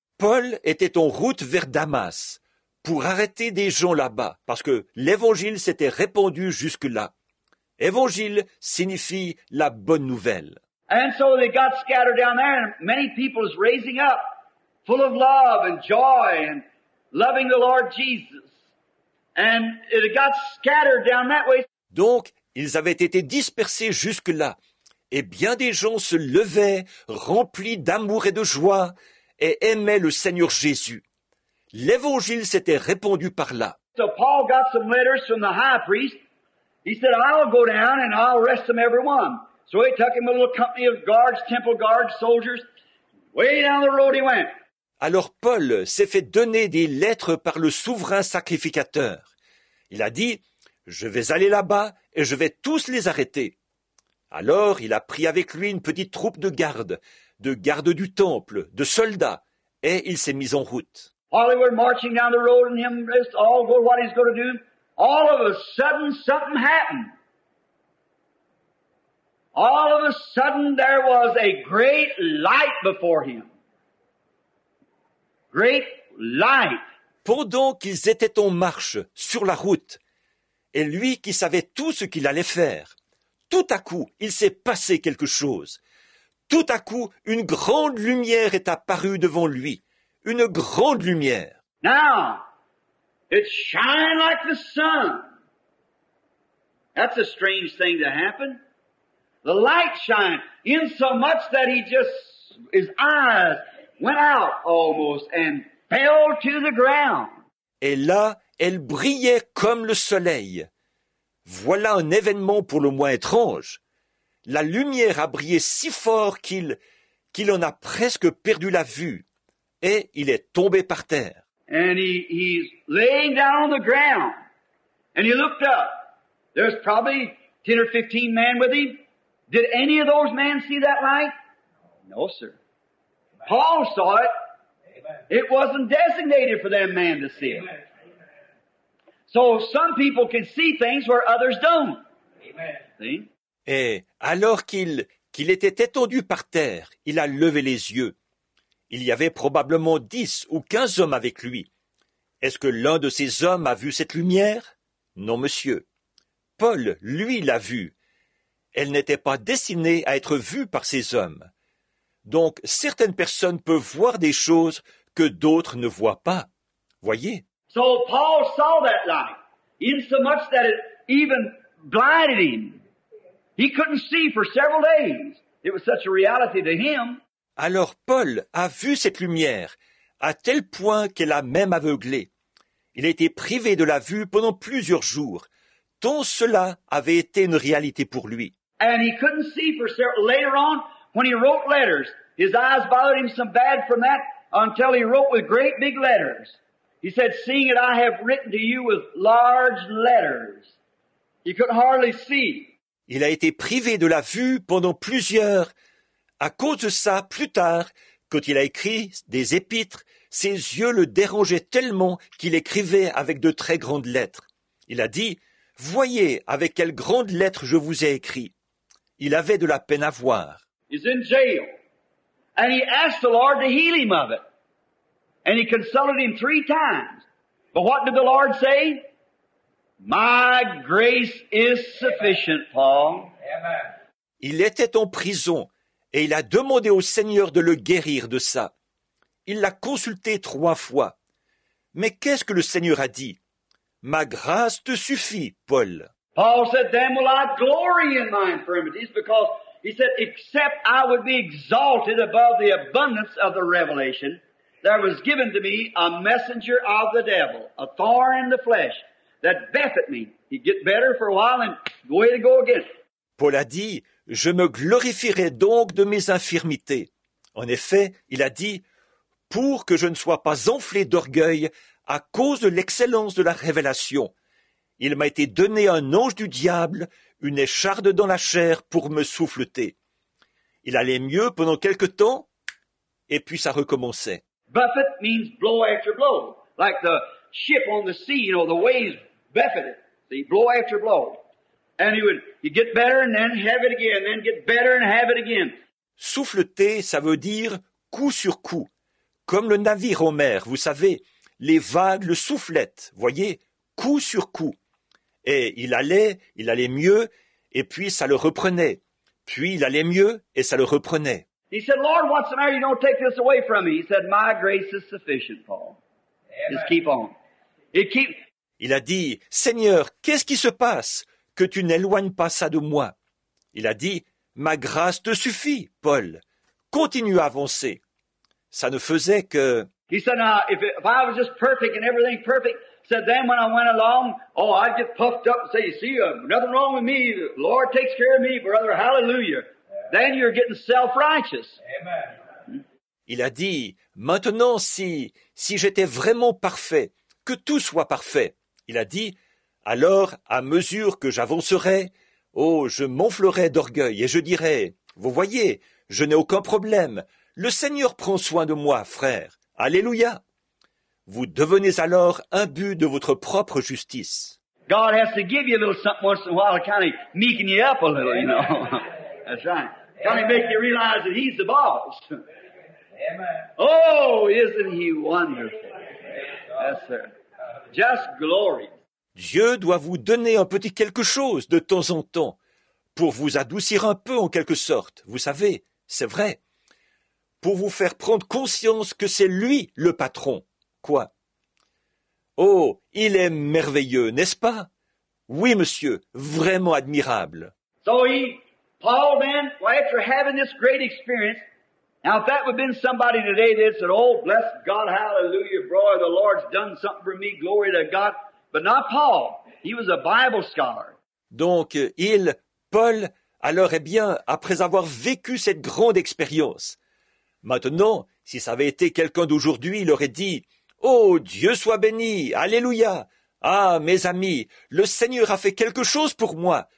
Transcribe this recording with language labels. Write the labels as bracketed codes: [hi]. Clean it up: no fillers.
[fr] Paul était en route vers Damas pour arrêter des gens là-bas, parce que l'évangile s'était répandu jusque-là. Évangile signifie la bonne nouvelle. [en] And so they got scattered down there, and many people is raising up, full of love and joy and loving the Lord Jesus. And it got scattered down that way. [fr] Donc, ils avaient été dispersés jusque-là, et bien des gens se levaient, remplis d'amour et de joie, et aimaient le Seigneur Jésus. L'évangile s'était répandu par là. [en] So Paul got some letters from the high priest. He said, I'll go down and I'll arrest them every one. So he took him a little company of guards, temple guards, soldiers. Way down the road he went. [fr] Alors Paul s'est fait donner des lettres par le souverain sacrificateur. Il a dit, je vais aller là-bas et je vais tous les arrêter. Alors il a pris avec lui une petite troupe de gardes du temple, de soldats, et il s'est mis en route. [en] While they were marching down the road and him is all good what he's going to do, all of a sudden something happened. All of a sudden there was a great light before him. Great light. [fr] Pendant qu'ils étaient en marche sur la route, et lui qui savait tout ce qu'il allait faire, tout à coup il s'est passé quelque chose. Tout à coup une grande lumière est apparue devant lui. Une grande lumière. [en] Now, it shined like the sun. That's a strange thing to happen. The light shined in so much that he just, his eyes went out almost and fell to the ground. [fr] Et là, elle brillait comme le soleil. Voilà un événement pour le moins étrange. La lumière a brillé si fort qu'il en a presque perdu la vue. Et il est tombé par terre. [en] And he's laying down on the ground. And he looked up. There's probably 10 or 15 men with him. Did any of those men see that light? No, sir. Paul saw it. It wasn't designated for them man to see it. So some people can see things where others don't. See? [fr] Et alors qu'il était étendu par terre, il a levé les yeux. Il y avait probablement 10 ou 15 hommes avec lui. Est-ce que l'un de ces hommes a vu cette lumière? Non, monsieur. Paul, lui, l'a vue. Elle n'était pas destinée à être vue par ces hommes. Donc, certaines personnes peuvent voir des choses que d'autres ne voient pas. Voyez. [en] So Paul saw that light, in so much that it even blinded him. He couldn't see for several days. It was such a reality to him. [fr] Alors Paul a vu cette lumière, à tel point qu'elle a même aveuglé. Il a été privé de la vue pendant plusieurs jours, tant cela avait été une réalité pour lui. [en] And he couldn't see for several, later on, when he wrote letters, his eyes bothered him some bad from that, until he wrote with great big letters. He said, seeing it, I have written to you with large letters. He could hardly see. [fr] Il a été privé de la vue pendant plusieurs à cause de ça, plus tard, quand il a écrit des épîtres, ses yeux le dérangeaient tellement qu'il écrivait avec de très grandes lettres. Il a dit, « Voyez avec quelles grandes lettres je vous ai écrit. » Il avait de la peine à voir. [en] He's in jail. And he asked the Lord to heal him of it. And he consulted him 3 times. But what did the Lord say? My grace is sufficient, Paul. Amen. [fr] Il était en prison. Et il a demandé au Seigneur de le guérir de ça. Il l'a consulté 3 fois. Mais qu'est-ce que le Seigneur a dit? Ma grâce te suffit, Paul. [en] Paul said, then will I glory in my infirmities, because he said, except I would be exalted above the abundance of the revelation, there was given to me a messenger of the devil, a thorn in the flesh, that buffeted me. He'd get better for a while and go away to go again. [fr] Paul a dit, « Je me glorifierai donc de mes infirmités. » En effet, il a dit, « Pour que je ne sois pas enflé d'orgueil à cause de l'excellence de la révélation, il m'a été donné un ange du diable, une écharde dans la chair pour me souffleter. » Il allait mieux pendant quelque temps, et puis ça recommençait. [en] « Buffet » means blow after blow, like the ship on the sea, you know, the waves buffet it, see, blow after blow. And he get better and then have it again, then get better and have it again. [fr] Souffleter, ça veut dire coup sur coup, comme le navire au mer, vous savez, les vagues le soufflettent, voyez, coup sur coup. Et il allait mieux, et puis ça le reprenait. Puis il allait mieux, et ça le reprenait. [en] He said, Lord, what's the matter? You don't take this away from me. He said, my grace is sufficient, Paul. Just keep on. [fr] Il a dit, Seigneur, qu'est-ce qui se passe que tu n'éloignes pas ça de moi? Il a dit, ma grâce te suffit, Paul. Continue à avancer. Ça ne faisait que... [en] He said, now, if I was just perfect and everything perfect, said, then when I went along, oh, I'd get puffed up and say, you see, nothing wrong with me. The Lord takes care of me, brother. Hallelujah. Then you're getting self-righteous. [fr] Il a dit, maintenant, si j'étais vraiment parfait, que tout soit parfait. Il a dit, alors, à mesure que j'avancerai, oh, je m'enflerai d'orgueil et je dirai, vous voyez, je n'ai aucun problème. Le Seigneur prend soin de moi, frère. Alléluia. Vous devenez alors imbu de votre propre justice. [en] God has to give you a little something once in a while to kind of meeken you up a little, you know. That's right. Kind of make you realize that he's the boss. Oh, isn't he wonderful? Yes, sir. Just glory. [fr] Dieu doit vous donner un petit quelque chose de temps en temps pour vous adoucir un peu en quelque sorte. Vous savez, c'est vrai. Pour vous faire prendre conscience que c'est lui le patron. Quoi? Oh, il est merveilleux, n'est-ce pas? Oui, monsieur, vraiment admirable. [en] So he, Paul then, well, after having this great experience, now if that would have been somebody today that said, oh, bless God, hallelujah, brother, the Lord's done something for me, glory to God. But not Paul. He was a Bible scholar. [fr] Donc, Paul, alors, eh bien, après avoir vécu cette grande expérience, maintenant, si ça avait été quelqu'un d'aujourd'hui, il aurait dit, « Oh, Dieu soit béni, alléluia. Ah, mes amis, le Seigneur a fait quelque chose pour moi.